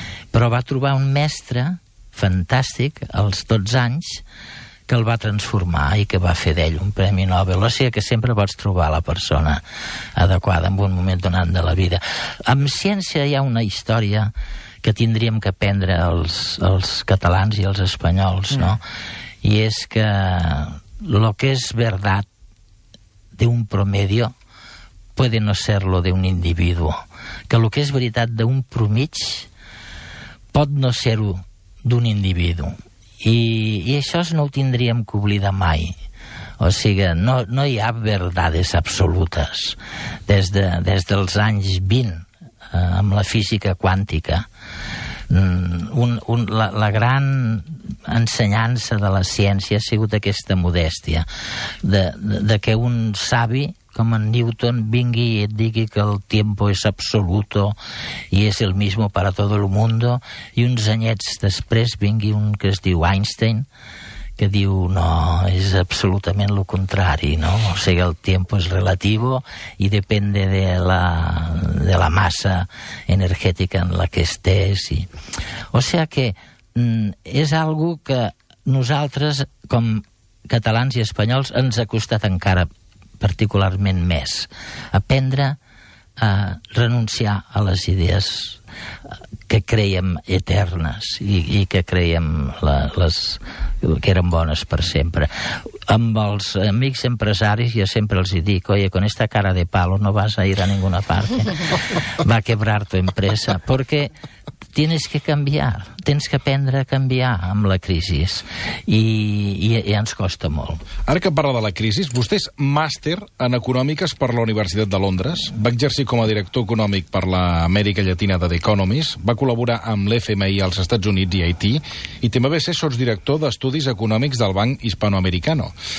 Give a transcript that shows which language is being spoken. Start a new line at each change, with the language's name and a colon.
Catalan: Però va trobar un mestre fantàstic als 12 anys que el va transformar i que va fer d'ell un Premi Nobel. O sigui que sempre pots trobar la persona adequada en un moment donat de la vida. En ciència hi ha una història que tindríem que aprendre els catalans i els espanyols, no?
Spanish: I és que lo que es verdad de un promedio puede no ser lo de un individuo.
Catalan: Que lo que es veritat d'un promig pot no ser-ho d'un individu. I això no ho tindríem que oblidar mai. O sigui, no hi ha verdades absolutes. Des dels anys 20, amb la física quàntica, la gran ensenyança de la ciència ha sigut aquesta modèstia de que un savi com en Newton vingui i et digui que
Spanish: el tiempo es absoluto y es el mismo para todo el mundo,
Catalan: i uns anyets després vingui un que es diu Einstein que diu, no, és absolutament lo contrari, no? O sigui,
Spanish: el tiempo es relativo y depende de la
Catalan: massa energètica
Spanish: en la que estés.
Catalan: O sigui que és algo que nosaltres, com catalans i espanyols, ens ha costat encara particularment més. Aprendre a renunciar a les idees que creiem eternes i que creiem que eren bones per sempre. Amb els amics empresaris ja sempre els hi dic,
Spanish: oye, con esta cara de palo no vas a ir a ninguna parte. Va a quebrar tu empresa. Porque tienes que cambiar.
Catalan: Tens que aprendre a canviar amb la crisi. I ens costa molt. Ara que parla de la crisi, vostè és màster en econòmiques per la Universitat de Londres. Va exercir com a director econòmic per l'Amèrica Llatina de The Economist. Va col·laborar amb l'FMI als Estats Units i Haití. I també va ser sotsdirector d'Estudis Econòmics del Banc Hispanoamericano.